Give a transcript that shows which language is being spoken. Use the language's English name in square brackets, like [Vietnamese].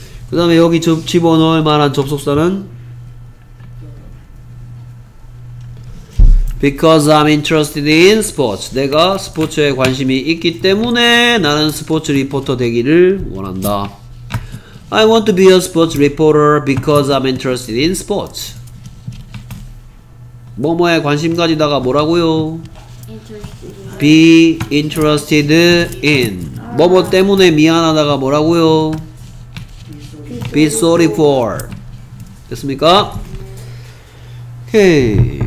[Korean] 그 다음에 여기 집어넣을 만한 접속사는? [English] Because I'm interested in sports. [Korean] 내가 스포츠에 관심이 있기 때문에 나는 스포츠 리포터 되기를 원한다. [English] I want to be a sports reporter because I'm interested in sports. [Korean] 뭐뭐에 관심 가지다가 뭐라고요? [English] Interested. Be interested in. [Korean] 뭐뭐 때문에 미안하다가 뭐라고요? [English] Be sorry for. [Korean] 됐습니까? 오케이.